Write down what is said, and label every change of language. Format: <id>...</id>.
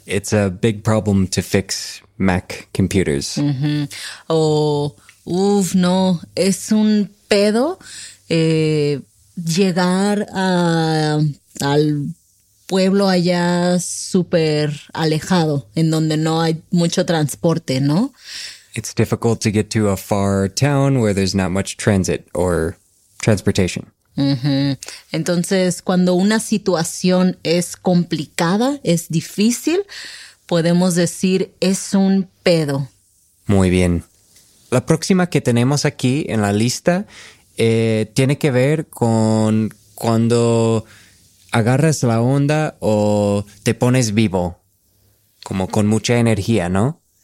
<en>It's a big problem to fix Mac computers. Mm-hmm.</en> <es>O, uf, no, es un pedo llegar al pueblo allá súper alejado, en donde no hay mucho transporte, ¿no?</es> <en>It's difficult to get to a far town where there's not much transit or transportation. Mm-hmm.</en> <es>Entonces, cuando una situación es complicada, es difícil, podemos decir, es un pedo. Muy bien. La próxima que tenemos aquí en la lista tiene que ver con cuando agarras la onda o te pones vivo, como con mucha energía, ¿no?</es>